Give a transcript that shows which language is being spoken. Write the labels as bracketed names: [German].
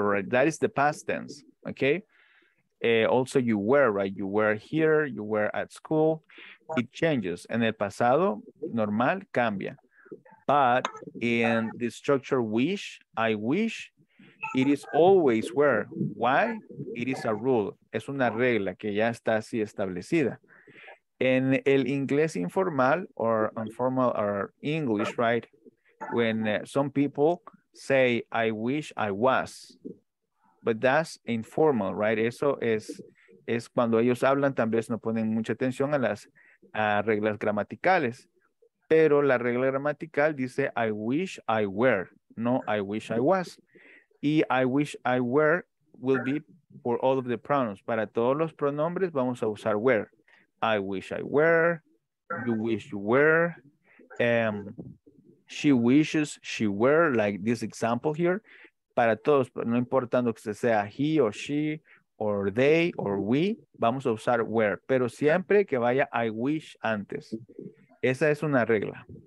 [English] Right? That is the past tense, okay? Also, you were, right? You were here, you were at school. It changes. [Spanish] En el pasado, normal, cambia. [English] But in the structure wish, I wish, it is always where. Why? It is a rule. [Spanish] Es una regla que ya está así establecida. En el inglés informal [English] or informal or English, right? When some people say, I wish I was. But that's informal, right? [Spanish] Eso es cuando ellos hablan, tal vez no ponen mucha atención a las reglas gramaticales. Pero la regla gramatical dice, [English] I wish I were, [Spanish] no, [English] I wish I was. Y I wish I were will be for all of the pronouns. [Spanish] Para todos los pronombres vamos a usar were. [English] I wish I were, you wish you were, she wishes she were, like this example here. [Spanish] Para todos, no importando que sea he o she, [English] or they, or we, [Spanish] vamos a usar were. Pero siempre que vaya I wish antes. Esa es una regla.